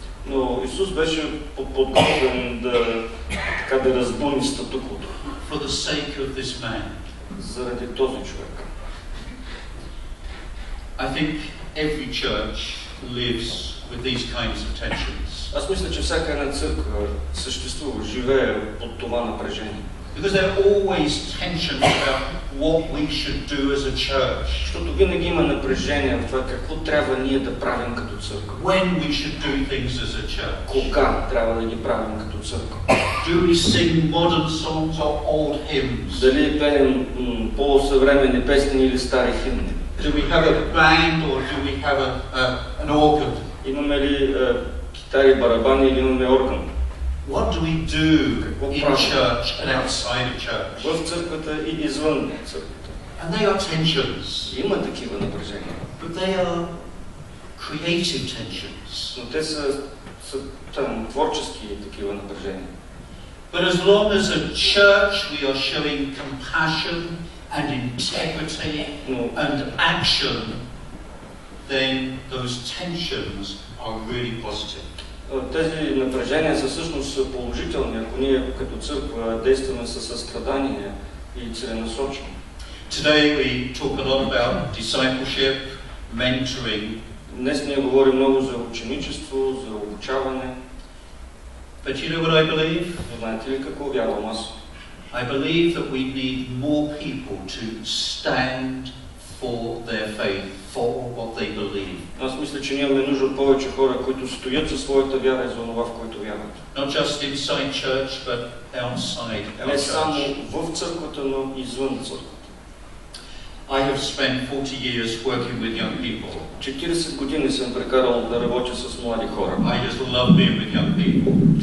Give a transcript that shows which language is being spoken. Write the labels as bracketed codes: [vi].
[bg] Но Исус беше подготвен да така да разбуни статуквото. [en] For the sake of this man. [bg] Заради този човек. [en] I think every church lives with these kinds of tensions. [bg] Аз мисля, че всяка една църква съществува, живее под това напрежение. [en] Because there are always tensions about what we should do as a church. [bg] Защото винаги има напрежение в това какво трябва ние да правим като църква. [en] When we should do things as a church. [bg] Кога трябва да ги правим като църква. [en] Do we sing modern songs or old hymns? [bg] Дали пеем по-съвременни песни или стари химни? [en] Do we have a band or do we have an organ? [bg] Имаме ли китари, барабани или имаме орган? [en] What do we do in church and outside of church? [bg] В църквата и извън църквата. [en] And they are tensions. [bg] Има такива напрежения. [en] But they are creative tensions. [bg] Но те са, там, творчески такива напрежения. [en] But as long as a church we are showing compassion and integrity and action, then those tensions are really positive. [bg] Тези напрежения са всъщност положителни, ако ние като църква действаме със състрадание и целенасочено. [en] Today we talk a lot about discipleship, mentoring. [bg] Днес ние говорим много за ученичество, за обучаване. [en] But you know what I believe? [bg] Знаете ли какво вярвам аз? [en] I believe that we need more people to stand for their faith. For what they believe. [bg] Аз мисля, че ние имаме нужда от повече хора, които стоят за своята вяра и за това, в което вярват. [en] Not just inside church, but outside church. [bg] Не само в църквата, но и извън църквата. [en] I have spent 40 years working with young people. [bg] 40 години съм прекарал да работя с млади хора. [en] I just love being with young people.